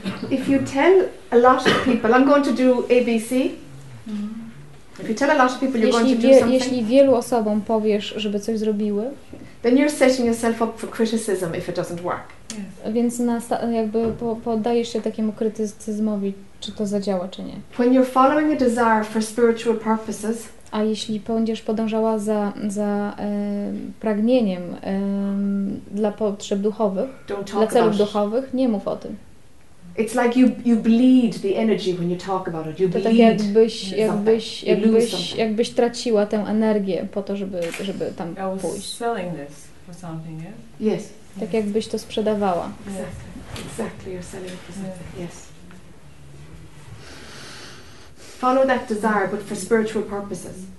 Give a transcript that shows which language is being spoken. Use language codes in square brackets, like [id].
[en] If you tell a lot of people, I'm going to do ABC. If you tell a lot of people you're going to do something, [pl] jeśli wielu osobom powiesz, żeby coś zrobiły, [en] then you're setting yourself up for criticism if it doesn't work. Yes. [pl] Więc jakby poddajesz się takiemu krytycyzmowi, czy to zadziała, czy nie. [en] When you're following a desire for spiritual purposes, [pl] A jeśli będziesz podążała za pragnieniem dla potrzeb duchowych, dla celów duchowych, nie mów o tym. [en] It's like you bleed the energy when you talk about it. You bleed. [pl] To tak jakbyś traciła tę energię po to, żeby tam pójść. [en] I was selling this for something, yeah? Yes. [pl] Tak jakbyś to sprzedawała. [en] Exactly, you're selling it for something. Yes. Follow that desire, but for spiritual purposes.